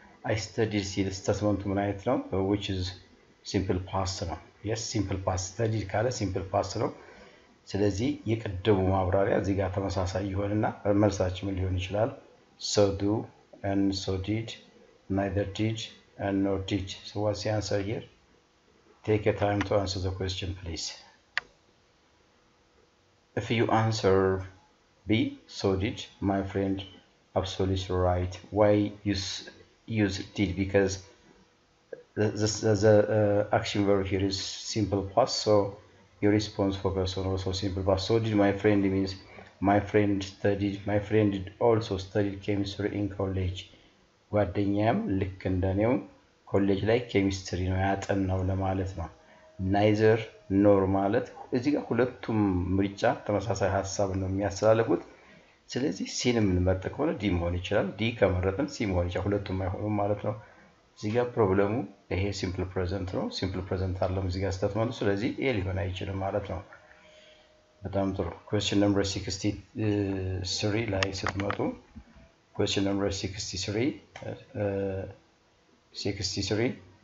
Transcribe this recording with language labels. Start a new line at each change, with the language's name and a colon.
English: I studied the statement of my exam, which is simple past. Yes, simple past. Studied kala simple past ነው.
Amharic: ስለዚህ የቀደሙ ማብራሪያ እዚህ ጋር ተመሳሳይ ይሆንና መልሳችን ሊሆን ይችላል.
English: So do and so did, neither did and nor did. So what's the answer here? Take your time to answer the question, please. If you answer B, so did, my friend, absolutely right. Why use did? Because the action verb here is simple past, so your response for person also simple past. So did my friend means my friend also studied chemistry in college.
Amharic: ጓደኛም ልክ እንደኔው ኮሌጅ ላይ ኬሚስትሪ ነው ያጠናው ለማለት ነው. Neither nor ማለት እዚህ ጋር ሁለቱም ምርጫ ተመሳሳይ ሐሳብ ነው የሚያስተላልፉት. ስለዚህ ሲን የምንመርጥ ከሆነ ዲ መሆን ይችላል. ዲ ከመረጥን ሲ መሆን ይችላል. ሁለቱም አይሆኑም ማለት ነው. ዚጋ ፕሮብለሙ ይሄ ሲምፕል ፕሬዘንት ነው ሲምፕል ፕሬዘንት አለም እዚህ ጋር ስታት ማለት ስለዚህ ኤ ሊሆን አይችልም ማለት ነው በጣም ጥሩ ኩዌስቸን ነምበር 63 ላይ ስትመጡ ኩዌስቸን ነምበር 63